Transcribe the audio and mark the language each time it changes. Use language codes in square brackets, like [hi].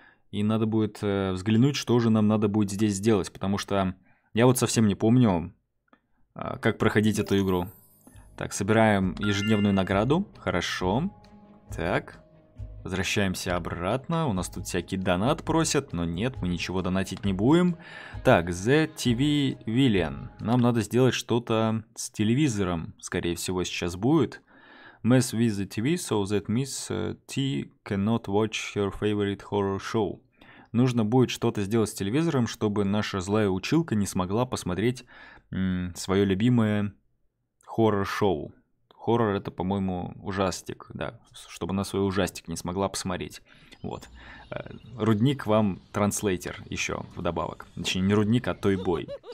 [ru] И надо будет взглянуть, что же нам надо будет здесь сделать, потому что... Я вот совсем не помню, как проходить эту игру. Так, собираем ежедневную награду. Хорошо. Так. Возвращаемся обратно. У нас тут всякий донат просят, но нет, мы ничего донатить не будем. Так, [en] The TV Villain. [ru] Нам надо сделать что-то с телевизором, скорее всего, сейчас будет. [en] Mess with the TV, so that Miss T cannot watch her favorite horror show. [ru] Нужно будет что-то сделать с телевизором, чтобы наша злая училка не смогла посмотреть свое любимое хоррор-шоу. Хоррор — это, по-моему, ужастик, да, чтобы она свой ужастик не смогла посмотреть. Вот. Рудник вам транслейтер еще вдобавок. Точнее, не рудник, а той бой.